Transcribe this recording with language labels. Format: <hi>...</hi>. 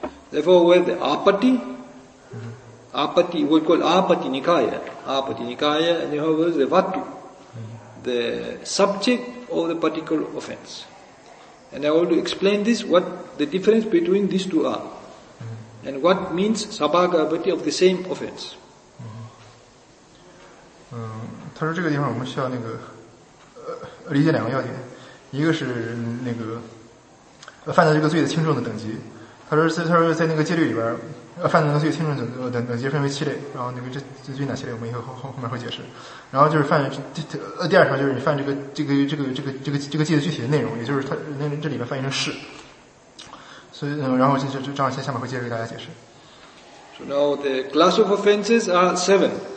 <en>Therefore, we have the apati, apati, we call apati nikaya, and you have the vattu, the subject of the particular offense. And I want to explain this, what the difference between these two are, and what means sabhagapati of the same offense. Mm-hmm. Mm-hmm.</en> <zh>他说：“这个地方我们需要那个理解两个要点，一个是那个犯的这个罪的轻重的等级。他说在那个戒律里边，犯的那个罪轻重等级分为七类，然后那个这罪哪七类，我们以后后面会解释。然后就是犯第二条就是你犯这个戒的具体的内容，也就是他那这里边翻译成是。所以然后就正好先下面会接着给大家解释。</zh> <en>So now the class of offenses are seven.”</en>